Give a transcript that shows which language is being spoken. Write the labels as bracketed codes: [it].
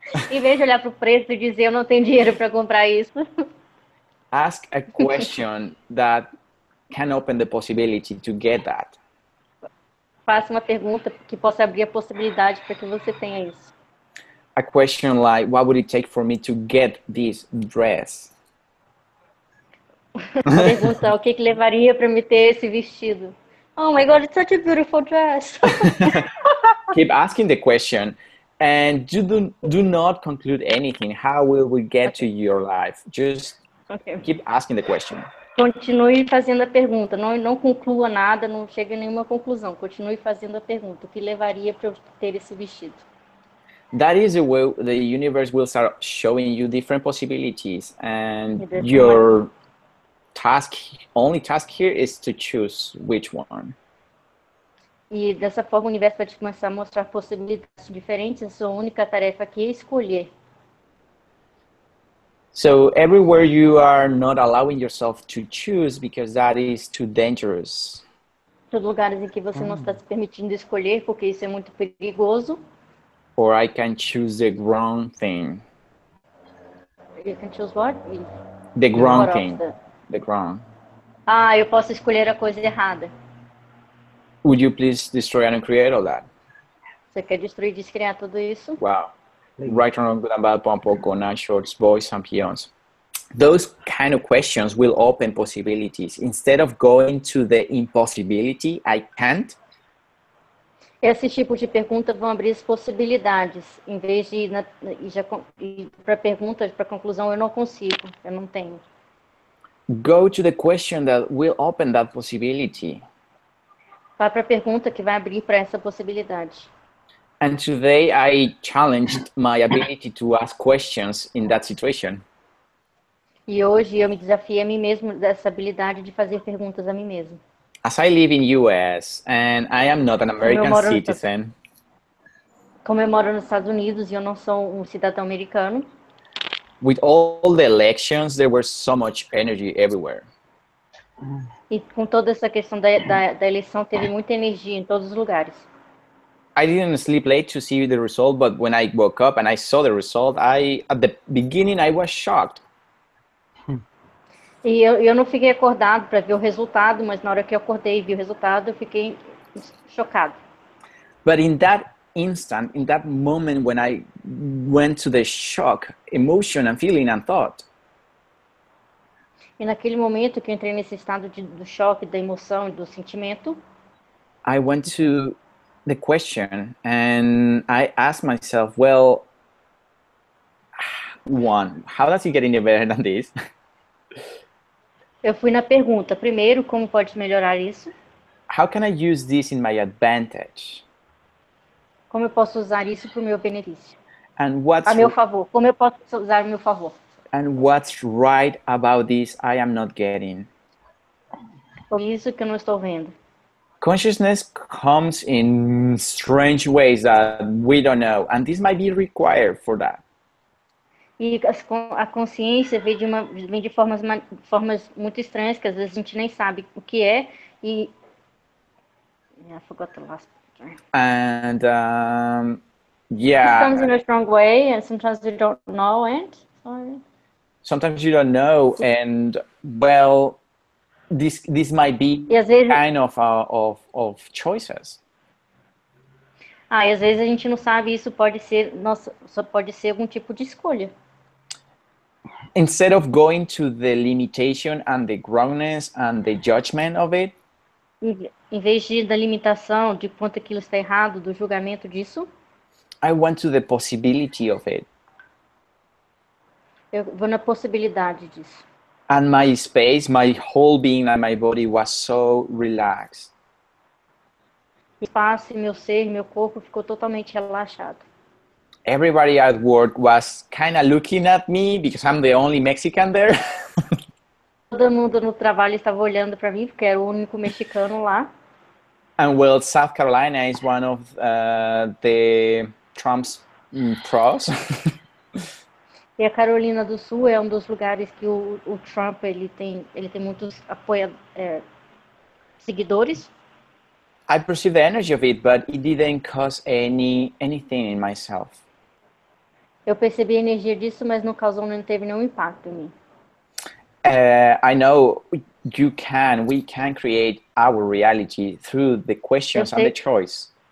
[pt] Em vez de olhar para o preço e dizer, eu não tenho dinheiro para comprar isso. [en] Ask a question that can open the possibility to get that. [pt] Faça uma pergunta que possa abrir a possibilidade para que você tenha isso. [en] A question like, what would it take for me to get this dress? [pt] Pergunta, o que levaria para me ter esse vestido? [en] Oh my God, it's such a beautiful dress. Keep asking the question. And do not conclude anything. How will we get to your life? Just keep asking the question. [pt] Continue fazendo a pergunta. Não conclua nada, não chegue a nenhuma conclusão. Continue fazendo a pergunta. O que levaria para eu ter esse vestido? [en] that is the way the universe will start showing you different possibilities, and your task, only task here, is to choose which one. [pt] E dessa forma o universo vai te começar a mostrar possibilidades diferentes. A sua única tarefa aqui é escolher. [en] So everywhere you are not allowing yourself to choose because that is too dangerous. [pt] Todos lugares em que você não está se permitindo escolher porque isso é muito perigoso. [en] Or I can choose the wrong thing. You can choose what? The wrong thing. The wrong. [pt] Ah, eu posso escolher a coisa errada. [en] Would you please destroy and create all that? [pt] Você quer destruir e descriar tudo isso? [en] Wow. Right on, good and bad, pompo, conan, shorts, boys, and peons. Those kind of questions will open possibilities. Instead of going to the impossibility, I can't. [pt] Esses tipos de perguntas vão abrir as possibilidades, em vez de ir para perguntas, para conclusão, eu não consigo, eu não tenho. [en] Go to the question that will open that possibility. [pt] Vai para a pergunta que vai abrir para essa possibilidade. [en] And today I challenged my ability to ask questions in that situation. [pt] E hoje eu me desafiei a mim mesmo dessa habilidade de fazer perguntas a mim mesmo. [en] As I live in US and I am not an American citizen. [pt] Como eu moro nos Estados Unidos e eu não sou um cidadão americano. [en] With all the elections, there was so much energy everywhere. [pt] E com toda essa questão da eleição, teve muita energia em todos os lugares. [en] I didn't sleep late to see the result, but when I woke up and I saw the result, at the beginning I was shocked. [pt] E eu não fiquei acordado para ver o resultado, mas na hora que eu acordei e vi o resultado, eu fiquei chocado. [en] But in that instant, in that moment when I went to the shock, emotion and feeling and thought. [pt] E naquele momento que eu entrei nesse estado do choque, da emoção e do sentimento, [en] I went to the question and I asked myself, well, one, how does it get any better than this? [pt] Eu fui na pergunta, primeiro, como pode melhorar isso? [en] How can I use this in my advantage? [pt] Como eu posso usar isso para o meu benefício? [en] And what's [pt] a meu favor, como eu posso usar o meu favor? [en] And what's right about this I am not getting? [pt] Por isso que eu não estou vendo. [en] Consciousness comes in strange ways that we don't know, and this might be required for that. [pt] E a consciência vem de formas muito estranhas que às vezes a gente nem sabe o que é e [en] I forgot the last part. And yeah. It comes in a strong way, and sometimes you don't know, and sorry. Sometimes you don't know, and well. This might be kind of choices. [pt] Ah, e às vezes a gente não sabe, isso pode ser só pode ser algum tipo de escolha. [en] Instead of going to the limitation and the wrongness and the judgment of it, [pt] em vez de ir da limitação, de quanto aquilo está errado, do julgamento disso, [en] I went to the possibility of it. [pt] Eu vou na possibilidade disso. [en] And my space, my whole being and my body was so relaxed. [pt] Espaço, meu ser, meu corpo ficou totalmente relaxado. [en] Everybody at work was kind of looking at me because I'm the only Mexican there. [pt] Todo mundo no trabalho estava olhando para mim porque era o único mexicano lá. [en] And well, South Carolina is one of the Trump's pros. [pt] E a Carolina do Sul é um dos lugares que o Trump ele tem muitos seguidores. [en] I perceived the energy of it, but it didn't cause anything in myself. [pt] Eu percebi a energia disso, mas não causou, não teve nenhum impacto em mim. [en] I know we can create our reality through the questions and the choice.